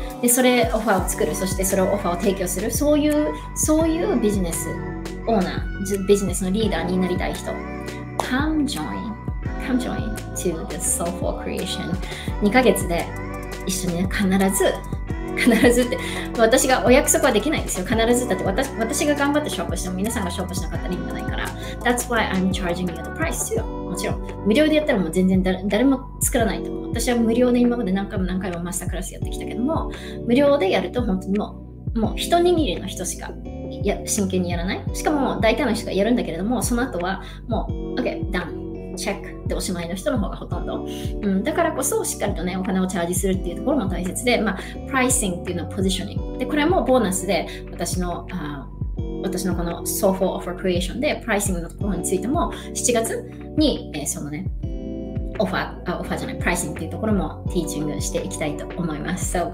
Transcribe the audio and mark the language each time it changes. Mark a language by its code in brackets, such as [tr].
[ja] で、それ、オファーを作る。そして、それをオファーを提供する。そういうビジネスオーナー、ビジネスのリーダーになりたい人。 [en] Come join to the soulful creation. [ja] 2ヶ月で一緒に必ず必ずって私がお約束はできないですよ。必ずだって 私が頑張って勝負しても皆さんが勝負しなかったら意味がないから。 [en] That's why I'm charging you the price too。 [ja] もちろん無料でやったらもう全然 誰も作らないと思う。私は無料で今まで何回も何回もマスタークラスやってきたけども、無料でやると本当にもう一握りの人しか真剣にやらない。しかも大体の人がやるんだけれども、その後はもう OK done チェックでおしまいの人の方がほとんど、うん、だからこそしっかりとねお金をチャージするっていうところも大切で、まあプライシングっていうのはポジショニングで、これもボーナスで私のこのソフォーオファークリエーションでプライシングのところについても7月に、そのねオファーじゃないプライシングっていうところもティーチングしていきたいと思います。